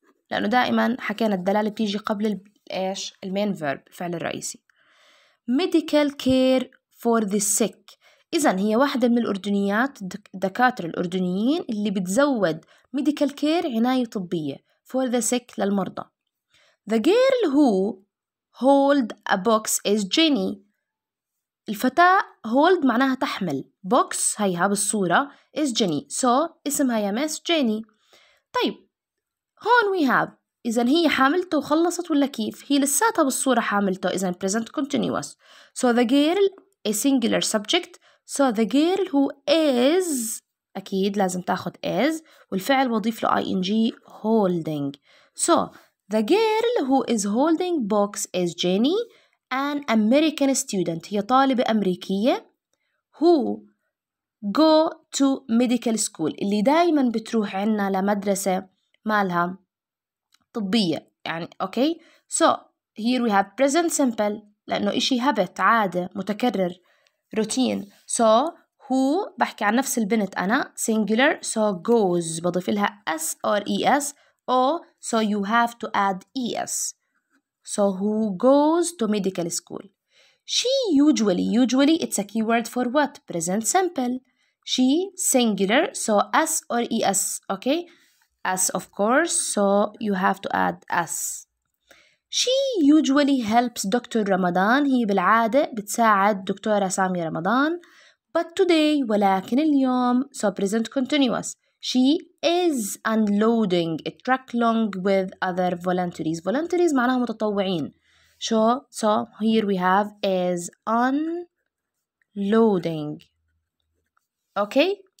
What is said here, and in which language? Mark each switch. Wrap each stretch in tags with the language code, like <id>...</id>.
<ar>لأنه دائما حكينا الدلالة بتيجي قبل إيش المين فيرب الفعل الرئيسي.</ar> <en>Medical care for the sick.</en> <ar>إذن هي واحدة من الأردنيات دكاترة الأردنيين اللي بتزود medical care عناية طبية for the sick للمرضى.</ar> <en>The girl who hold a box is Jenny.</en> <ar>الفتاة hold معناها تحمل. Box هيها بالصورة is Jenny. So اسمها يا ميس Jenny. طيب هون we have إذن هي حاملته وخلصت ولا كيف؟ هي لساتها بالصورة حاملته إذن present continuous.</ar> <en>So the girl a singular subject. So the girl who is أكيد لازم تاخد is والفعل وضيف له ing holding. So the girl who is holding box is Jenny.</en> <ar>An American student, هي طالبة أمريكية, who go to medical school, اللي دايماً بتروح عنا لمدرسة مالها طبية, يعني, okay?</ar> <en>So, here we have present simple, لأنه إشي habit, عادة, متكرر, routine. So, هو بحكي عن نفس البنت أنا singular so goes بضيف لها s or es or so you have to add es so who goes to medical school she usually it's a keyword for what present simple she singular so s or es okay s of course so you have to add s She usually helps Dr. Ramadan.</en> <ar>هي بالعادة بتساعد دكتورة سامي رمضان.</ar> <en>But today, ولكن اليوم, so present continuous. She is unloading a truck along with other volunteers. Volunteers معناها متطوعين. So here we have is unloading. Okay?</en>